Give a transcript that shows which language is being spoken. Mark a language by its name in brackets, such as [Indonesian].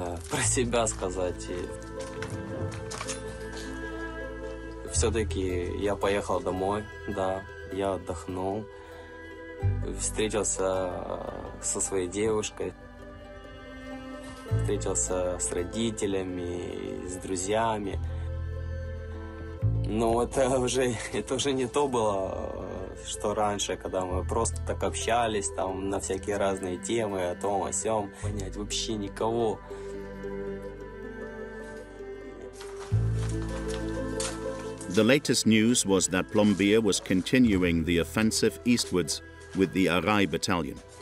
[Ukrainian] Про себе сказати. Все-таки я поїхав домой, да, я віддихнув. Встретився зі своєю дівчиною. [Russian] встретился с родителями, с друзьями. Но это уже не то было, что раньше, когда мы просто так общались там на всякие разные темы, о том, о сём, понять вообще никого. [English] The latest news was that Plombier was continuing the offensive eastwards with the Arai battalion.